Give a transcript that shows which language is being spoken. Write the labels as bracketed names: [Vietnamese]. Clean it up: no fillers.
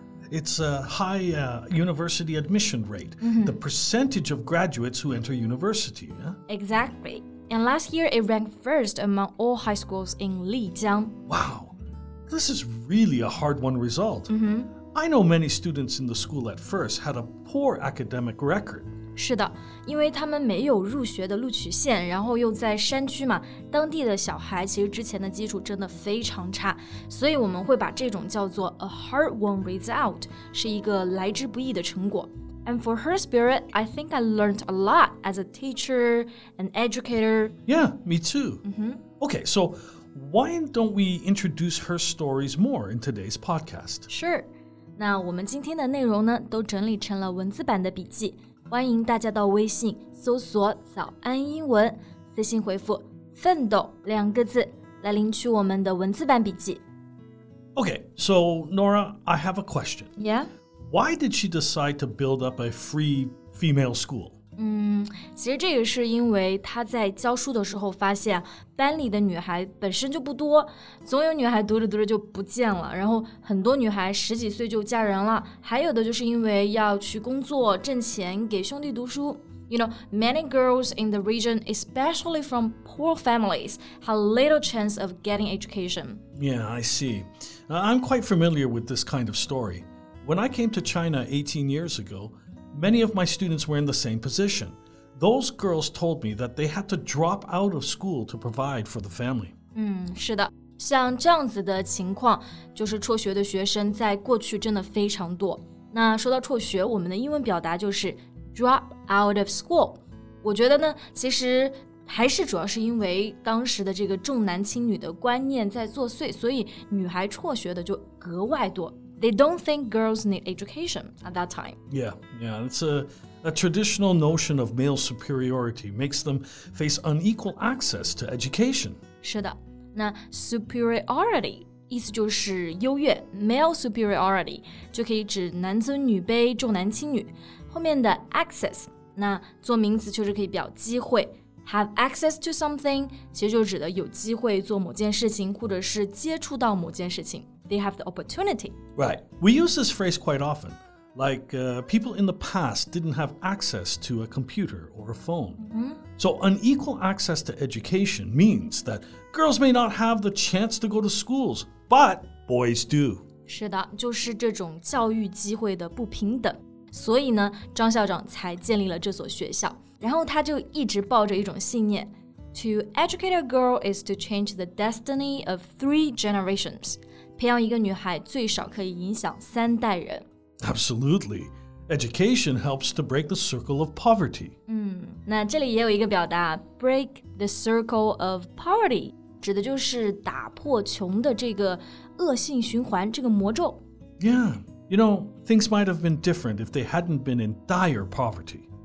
[English] It's a high university admission rate. The percentage of graduates who enter university. Exactly. And last year, it ranked first among all high schools in Lijiang. Wow, this is really a hard-won result. I know many students in the school at first had a poor academic record. [Chinese] 是的，因为他们没有入学的录取线，然后又在山区嘛，当地的小孩其实之前的基础真的非常差，所以我们会把这种叫做 [English] a hard-won result, [Chinese] 是一个来之不易的成果。 [English] And for her spirit, I think I learned a lot as a teacher, an educator. Yeah, me too. Okay, so why don't we introduce her stories more in today's podcast? Sure. [Chinese] 那我们今天的内容呢，都整理成了文字版的笔记。欢迎大家到微信搜索“早安英文”，私信回复“奋斗”两个字，来领取我们的文字版笔记。 [English] Okay, so Nora, I have a question. Yeah? Why did she decide to build up a free female school? [Chinese] 其实这个是因为她在教书的时候发现班里的女孩本身就不多，总有女孩读着读着就不见了，然后很多女孩十几岁就嫁人了，还有的就是因为要去工作挣钱给兄弟读书。 [English] You know, many girls in the region, especially from poor families, have little chance of getting education. Yeah, I see. I'm quite familiar with this kind of story. When I came to China 18 years ago, many of my students were in the same position. Those girls told me that they had to drop out of school to provide for the family. [Chinese] 是的，像这样子的情况，就是辍学的学生在过去真的非常多。那说到辍学，我们的英文表达就是 [English] drop out of school。 [Chinese] 我觉得呢，其实还是主要是因为当时的这个重男轻女的观念在作祟，所以女孩辍学的就格外多。 [English] They don't think girls need education at that time. Yeah, it's a traditional notion of male superiority makes them face unequal access to education. [Chinese] 是的，那 superiority 意思就是优越 ， [English] male superiority [Chinese] 就可以指男尊女卑、重男轻女。后面的 access， 那做名词就是可以表机会 ， [English] have access to something， [Chinese] 其实就指的有机会做某件事情，或者是接触到某件事情。 [English] They have the opportunity. Right. We use this phrase quite often. Like, people in the past didn't have access to a computer or a phone. So unequal access to education means that girls may not have the chance to go to schools, but boys do. [Chinese] 是的，就是这种教育机会的不平等。所以呢，张校长才建立了这所学校。然后他就一直抱着一种信念 [English] To educate a girl is to change the destiny of 3 generations. [Chinese] 培养一个女孩最少可以影响三代人。 [English] Absolutely. Education helps to break the circle of poverty. [Chinese] 那这里也有一个表达 [English] break the circle of poverty. [Chinese] 指的就是打破穷的这个恶性循环，这个魔咒。 [English] Yeah, you know, things might have been different if they hadn't been in dire poverty.